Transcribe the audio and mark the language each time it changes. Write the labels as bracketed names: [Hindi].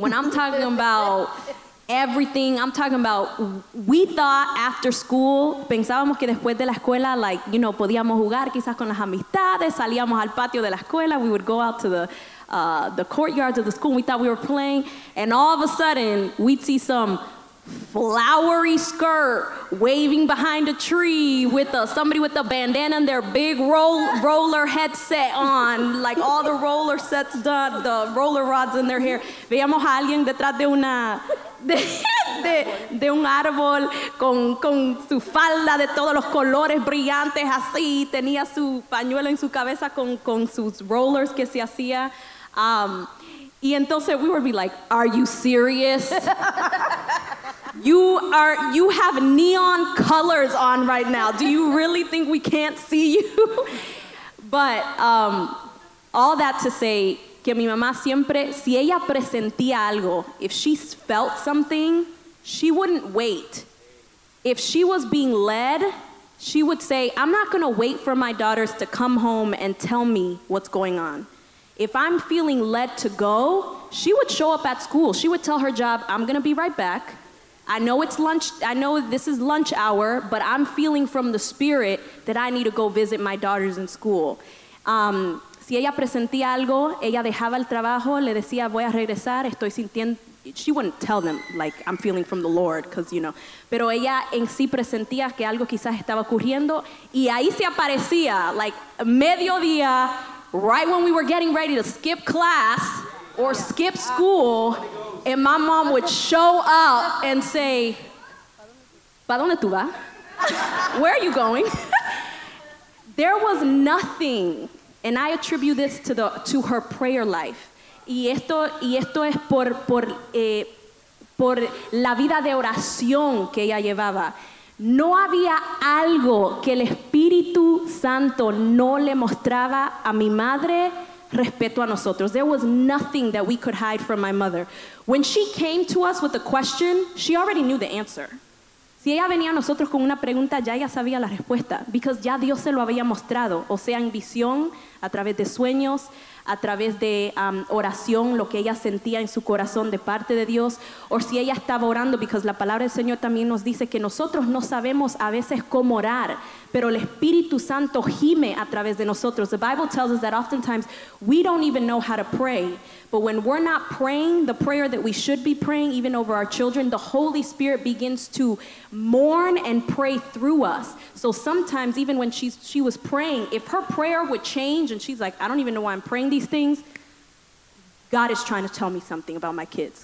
[English] When I'm talking about everything, I'm talking about, we thought after school, [Spanish] pensábamos que después de la escuela, [English] like, you know, [Spanish] podíamos jugar quizás con las amistades, salíamos al patio de la escuela, [English] we would go out to the courtyards of the school, we thought we were playing, and all of a sudden, we'd see some flowery skirt waving behind a tree with somebody with a bandana and their big roller headset on, like all the roller sets done, the roller rods in their hair. [Spanish] Veíamos a alguien detrás de un árbol con su falda de todos los colores brillantes así, tenía su pañuelo en su cabeza con sus rollers que se hacía. Y entonces [English] we would be like, are you serious? You have neon colors on right now. Do you really think we can't see you? But all that to say, [Spanish] que mi mamá siempre, si ella presentía algo, [English] if she felt something, she wouldn't wait. If she was being led, she would say, I'm not going to wait for my daughters to come home and tell me what's going on. If I'm feeling led to go, she would show up at school. She would tell her job, I'm going to be right back. I know it's lunch. I know this is lunch hour, but I'm feeling from the spirit that I need to go visit my daughters in school. [Spanish] Si ella presentía algo, ella dejaba el trabajo, le decía, voy a regresar, estoy sintiendo. [English] She wouldn't tell them, like, I'm feeling from the Lord, because, you know. [Spanish] Pero ella en sí presentía que algo quizás estaba ocurriendo, y ahí se aparecía, [English] like, mediodía, right when we were getting ready to skip class or skip school, and my mom would show up and say, [Spanish] ¿Pa dónde tú vas? [English] Where are you going? There was nothing. And I attribute this to her prayer life. [Spanish] Y esto es por la vida de oración que ella llevaba. No había algo que el Espíritu Santo no le mostraba a mi madre respecto a nosotros. [English] There was nothing that we could hide from my mother. When she came to us with a question, she already knew the answer. [Spanish] Si ella venía a nosotros con una pregunta, ya ella sabía la respuesta, because ya Dios se lo había mostrado, o sea, en visión, a través de sueños, a través de oración, lo que ella sentía en su corazón de parte de Dios, o si ella estaba orando, because la palabra del Señor también nos dice que nosotros no sabemos a veces cómo orar, pero el Espíritu Santo gime a través de nosotros. [English] The Bible tells us that oftentimes we don't even know how to pray, but when we're not praying the prayer that we should be praying, even over our children, the Holy Spirit begins to mourn and pray through us. So sometimes, even when she was praying, if her prayer would change and she's like, I don't even know why I'm praying these things, God is trying to tell me something about my kids.